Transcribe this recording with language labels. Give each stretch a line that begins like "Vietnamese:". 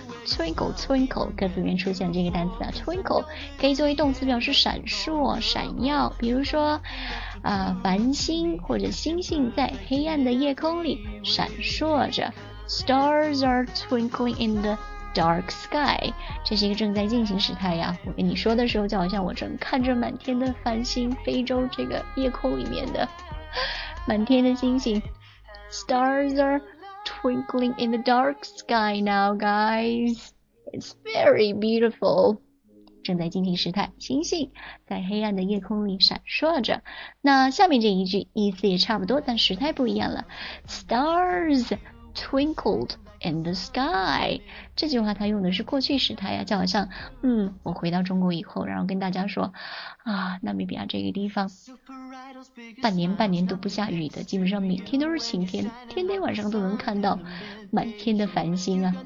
Chinese: Twinkle Twinkle 歌词里面出现这个单词啊， Twinkle 可以作为动词表示闪烁闪耀，比如说繁星或者星星在黑暗的夜空里闪烁着。
English: Stars are twinkling in the dark sky，
Chinese: 这是一个正在进行时态呀。我跟你说的时候就好像我正看着满天的繁星，非洲这个夜空里面的满天的星星。
English: Stars are twinkling in the dark sky now guys， It's very beautiful。
Chinese: 正在进行时态，星星在黑暗的夜空里闪烁着。那下面这一句意思也差不多，但时态不一样了。
English: Stars twinkled in the sky，
Chinese: 这句话它用的是过去时态呀，就好像我回到中国以后，然后跟大家说啊，纳米比亚这个地方半年半年都不下雨的，基本上每天都是晴天，天天晚上都能看到满天的繁星啊。